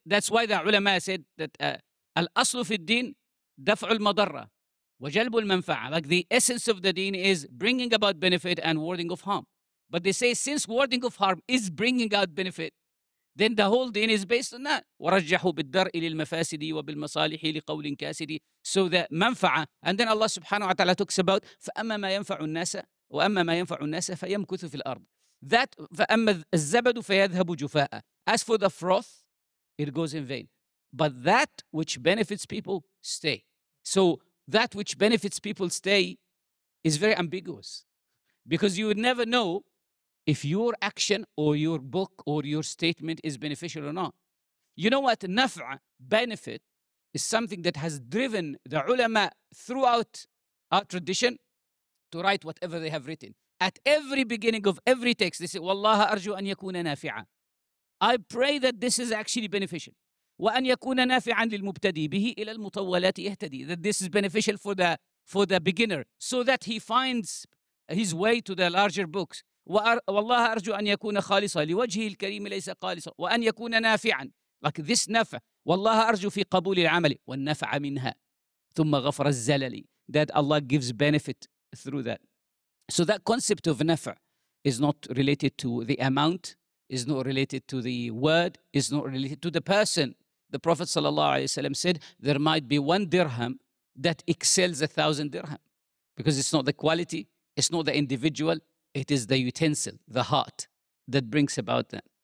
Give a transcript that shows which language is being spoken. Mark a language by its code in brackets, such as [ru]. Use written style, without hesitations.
[en] That's why the ulama said that [ar] al-aslu fi al-din daf'u al-madarra wa jalbu al-manfa'a. [en] Like the essence of the deen is bringing about benefit and warding of harm. But they say since warding of harm is bringing out benefit, then the whole deen is based on that. [ar] وَرَجَّحُوا بِالدَّرْءِ لِلْمَفَاسِدِ وَبِالْمَصَالِحِ لِقَوْلٍ كَاسِدِ. [en] So the manfa'a. And then Allah subhanahu wa ta'ala talks about [ar] فَأَمَّا مَا يَنْفَعُ النَّاسَ وَأَمَّا مَا يَنْفَعُ النَّاسَ فَيَمْكُثُ فِي الْأَرْضِ. [en] That [ar] فَأَمَّا الزَّبَدُ فَيَذْهَبُ جُفَاءً. [en] As for the froth, it goes in vain. But that which benefits people, stay. So that which benefits people, stay, is very ambiguous. Because you would never know if your action or your book or your statement is beneficial or not. You know what? Naf'a, benefit, is something that has driven the ulama throughout our tradition to write whatever they have written. At every beginning of every text, they say, [ar] وَاللَّهَ أَرْجُوا أَنْ يَكُونَ نَافِعًا. [en] I pray that this is actually beneficial. [ar] وَأَنْ يَكُونَ نَافِعًا لِلْمُبْتَدِي بِهِ إِلَى الْمُطَوَّلَاتِ يَهْتَدِي. [en] That this is beneficial for the beginner so that he finds his way to the larger books. [ar] والله أرجو أن يكون خالصا لوجهه الكريم ليس خالصا وأن يكون نافعا. [en] Like this نفع. [ar] والله أرجو في قبول العمل والنفع منها ثم غفر الزلل. [en] That Allah gives benefit through that. So that concept of نفع is not related to the amount, is not related to the word, is not related to the person. The Prophet sallallahu alaihi wasallam said, there might be one dirham that excels 1,000 dirham, because it's not the quality, it's not the individual, it is the utensil, the heart, that brings about that.